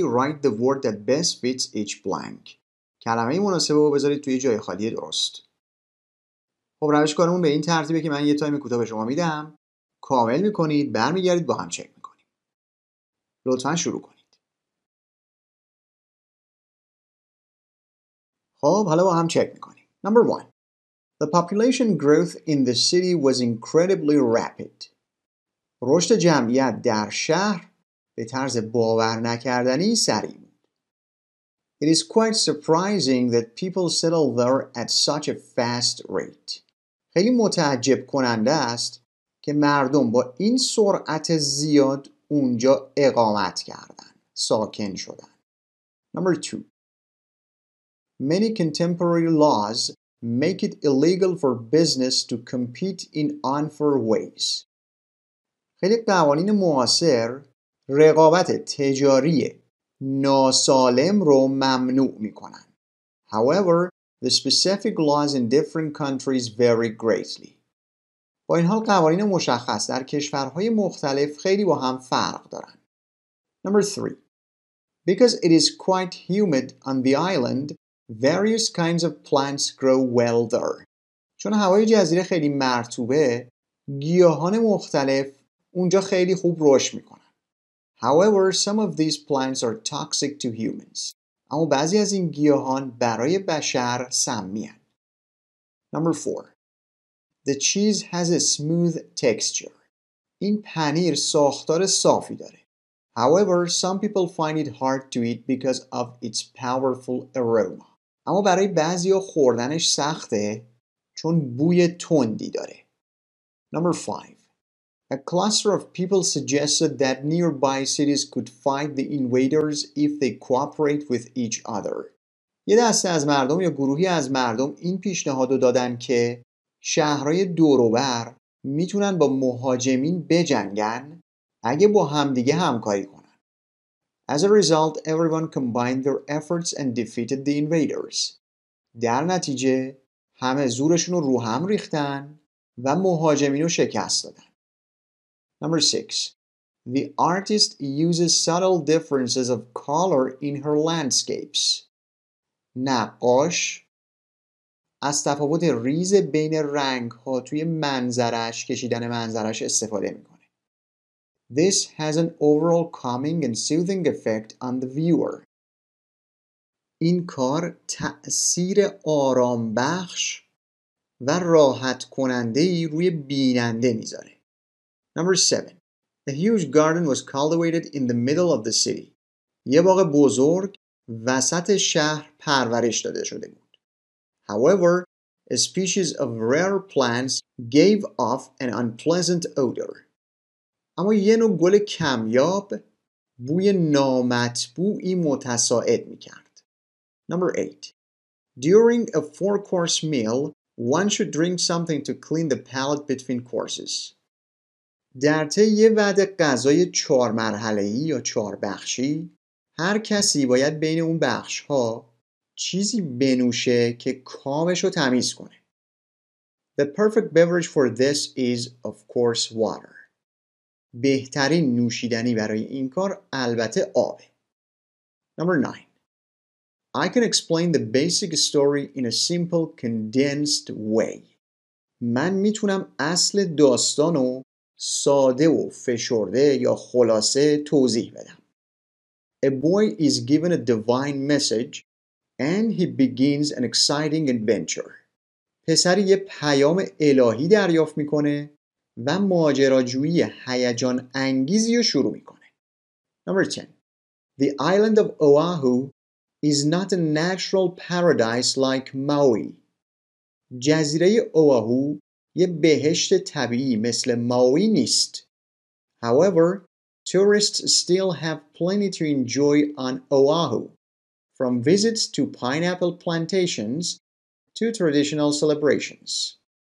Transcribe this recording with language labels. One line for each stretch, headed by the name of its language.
English: Write the word that best fits each blank.
Persian: کلمه مناسبه رو بذارید توی جای خالی درست. خب روش کارمون به این ترتیبه که من یه تایم کوتاه به شما میدم، کامل میکنید، برمیگردید با هم چک میکنید. لطفا شروع کنید. خب حالا با هم چک میکنیم.
English: Number 1. The population growth in the city was incredibly rapid.
Persian: رشد جمعیت در شهر به طرز باور نکردنی سریع بود.
English: It is quite surprising that people settle there at such a fast rate.
Persian: خیلی متعجب کننده است که مردم با این سرعت زیاد اونجا اقامت کردند، ساکن شدند.
English: Number 2. Many contemporary laws make it illegal for business to compete in unfair ways.
Persian: خیلی قوانین معاصر رقابت تجاری ناسالم رو ممنوع میکنن.
English: However, the specific laws in different countries vary greatly.
Persian: با این حال قوانین مشخص در کشورهای مختلف خیلی با هم فرق دارن.
English: Number 3. Because it is quite humid on the island, various kinds of plants grow well there.
Persian: چون هوای جزیره خیلی مرطوبه، گیاهان مختلف اونجا خیلی خوب رشد میکنن.
English: However, some of these plants are toxic to humans.
Persian: اما بعضی از این گیاهان برای بشر سمی‌اند.
English: Number 4. The cheese has a smooth texture.
Persian: این پنیر ساختار صافی داره.
English: However, some people find it hard to eat because of its powerful aroma.
Persian: اما برای بعضی ها خوردنش سخته چون بوی تندی داره.
English: Number 5. A cluster of people suggested that nearby cities could fight the invaders if they cooperate with each other.
Persian: یه دسته از مردم یا گروهی از مردم این پیشنهاد رو دادن که شهرهای دوروبر میتونن با مهاجمین بجنگن اگه با همدیگه همکاری کنن.
English: As a result, everyone combined their efforts and defeated the invaders.
Persian: در نتیجه همه زورشون رو هم ریختن و مهاجمین رو شکست دادن.
English: Number 6. The artist uses subtle differences of color in her landscapes.
Persian: نقاش از تفاوت ریز بین رنگ‌ها توی منظرش کشیدن منظرش استفاده می‌کنه.
English: This has an overall calming and soothing effect on the viewer.
Persian: این کار تأثیر آرامبخش و راحت کننده‌ای روی بیننده می‌ذاره.
English: Number 7. A huge garden was cultivated in the middle of the city.
Persian: یه باغ بزرگ وسط شهر پرورش داده شده بود.
English: However, a species of rare plants gave off an unpleasant odor.
Persian: اما یه نوع گل کمیاب بوی نامطبوعی متصاعد می‌کرد.
English: Number 8. During a four-course meal, one should drink something to clean the palate between courses.
Persian: در طی یه وعده غذای چهار مرحله‌ای یا چهار بخشی هر کسی باید بین اون بخش‌ها چیزی بنوشه که کامش رو تمیز کنه.
English: The perfect beverage for this is, of course, water.
Persian: بهترین نوشیدنی برای این کار البته آبه.
English: Number 9. I can explain the basic story in a simple, condensed way.
Persian: من میتونم اصل داستانو ساده و فشرده یا خلاصه توضیح بدم.
English: A boy is given a divine message and he begins an exciting adventure.
Persian: پسری یه پیام الهی دریافت میکنه و ماجراجویی هیجان انگیزی رو شروع میکنه.
English: Number 10. The island of Oahu is not a natural paradise like Maui.
Persian: جزیره اوآهو یه بهشت طبیعی مثل ماوی نیست.
English: However, tourists still have plenty to enjoy on Oahu, from visits to pineapple plantations to traditional celebrations.